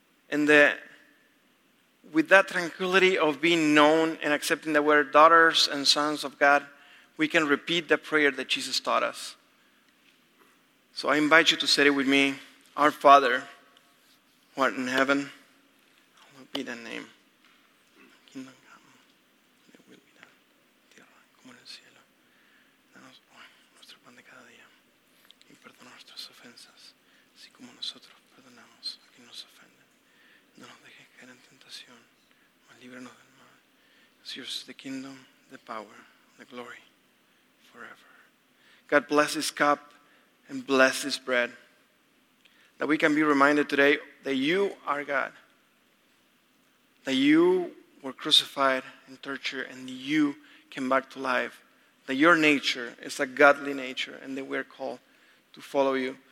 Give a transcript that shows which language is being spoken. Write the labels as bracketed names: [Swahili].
[English] And that with that tranquility of being known and accepting that we're daughters and sons of God, we can repeat the prayer that Jesus taught us. So I invite you to say it with me. "Our Father, who art in heaven, hallowed be thy name. Kingdom come, thy will be done, [Spanish] tierra como en el cielo. Danos hoy nuestro pan de cada día. Y perdona nuestras ofensas, así como nosotros perdonamos a quien nos ofende. No nos dejes caer en tentación, mas líbranos del mal. [English] It's yours is the kingdom, the power, the glory, forever." God bless this cup and bless this bread, that we can be reminded today that you are God, that you were crucified and tortured, and you came back to life, that your nature is a godly nature, and that we're called to follow you.